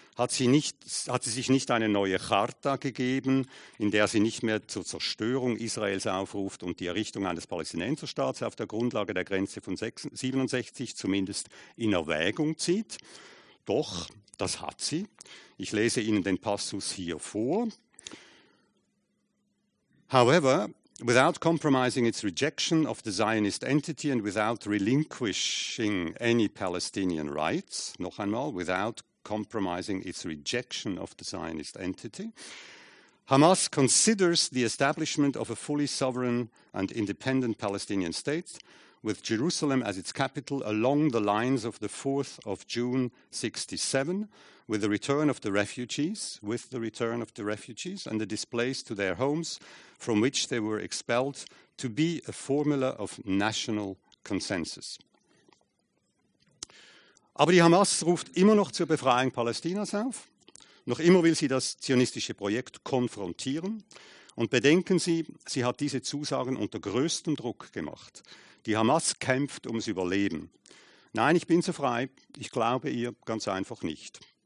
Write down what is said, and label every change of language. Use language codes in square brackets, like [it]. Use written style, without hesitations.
[de] Hat sie sich nicht eine neue Charta gegeben, in der sie nicht mehr zur Zerstörung Israels aufruft und die Errichtung eines Palästinenserstaats auf der Grundlage der Grenze von 67 zumindest in Erwägung zieht? Doch, das hat sie. Ich lese Ihnen den Passus hier vor. [en] However, without compromising its rejection of the Zionist entity and without relinquishing any Palestinian rights, [de] noch einmal, [en] without compromising its rejection of the Zionist entity, Hamas considers the establishment of a fully sovereign and independent Palestinian state with Jerusalem as its capital along the lines of the 4th of June 67, with the return of the refugees, and the displaced to their homes from which they were expelled, to be a formula of national consensus. [de] Aber die Hamas ruft immer noch zur Befreiung Palästinas auf. Noch immer will sie das zionistische Projekt konfrontieren. Und bedenken Sie, sie hat diese Zusagen unter größtem Druck gemacht. Die Hamas kämpft ums Überleben. Nein, ich bin so frei, ich glaube ihr ganz einfach nicht.